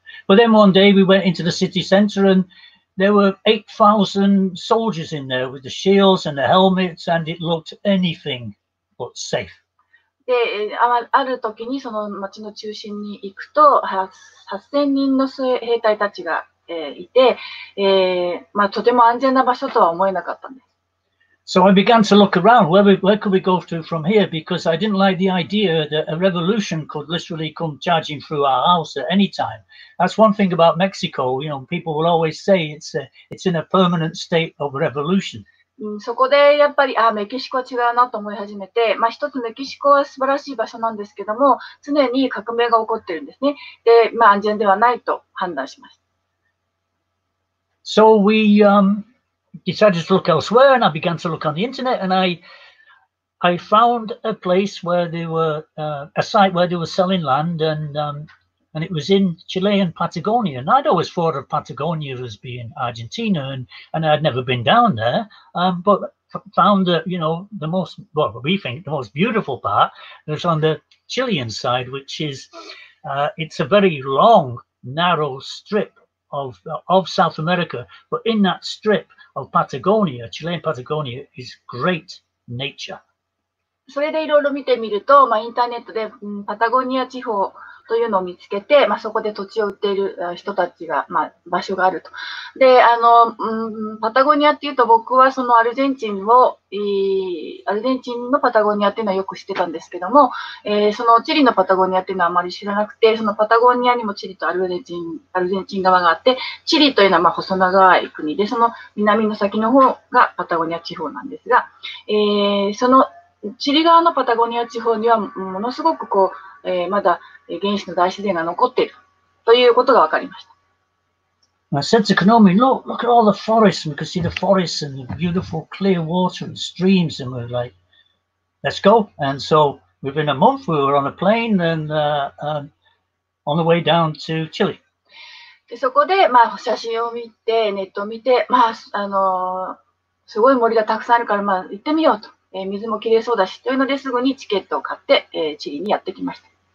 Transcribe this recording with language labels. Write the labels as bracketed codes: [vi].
[en] But then one day we went into the city center and there were 8,000 soldiers in there with the shields and the helmets, and it looked anything but safe. [ja] で、ある時にその町の中心に行くと、8,000 人の兵隊たちが、いて、まあ、とても安全な場所とは思えなかったんです。 [en] So I began to look around, where could we go to from here? Because I didn't like the idea that a revolution could literally come charging through our house at any time. That's one thing about Mexico, you know, people will always say it's in a permanent state of revolution. [ja] そこでやっぱり、メキシコは違うなと思い始めて、まあ、一つメキシコは素晴らしい場所なんですけども、常に革命が起こってるんですね。で、まあ、安全ではないと判断しました。 [en] So we decided to look elsewhere, and I began to look on the internet, and I found a place where they were a site where they were selling land, and it was in Chilean Patagonia. And I'd always thought of Patagonia as being Argentina, and I'd never been down there, but found that, you know, the most, well, we think the most beautiful part was on the Chilean side, which is it's a very long, narrow strip of South America, but in that strip of Patagonia, Chilean Patagonia, is great nature. [ja] それでいろいろ見てみると、まあ、インターネットでパタゴニア地方というのを見つけて、まあ、そこで土地を売っている人たちが、まあ、場所があると。で、パタゴニアっていうと僕はそのアルゼンチンを、アルゼンチンのパタゴニアっていうのはよく知ってたんですけども、そのチリのパタゴニアっていうのはあまり知らなくて、そのパタゴニアにもチリとアルゼンチン側があって、チリというのはまあ細長い国で、その南の先の方がパタゴニア地方なんですが、そのチリ側のパタゴニア地方にはものすごくこう、まだ原始の大自然が残っているということが分かりました。 [en] I said to Konomi, look at all the forests. We could see the forests and the beautiful clear water and streams. And we're like, let's go. And so within a month we were on a plane and on the way down to Chile. [ja] でそこで、まあ、写真を見て、ネットを見て、まあ、すごい森がたくさんあるから、まあ、行ってみようと。水も切れそうだしというのですぐにチケットを買って、チリにやってきました。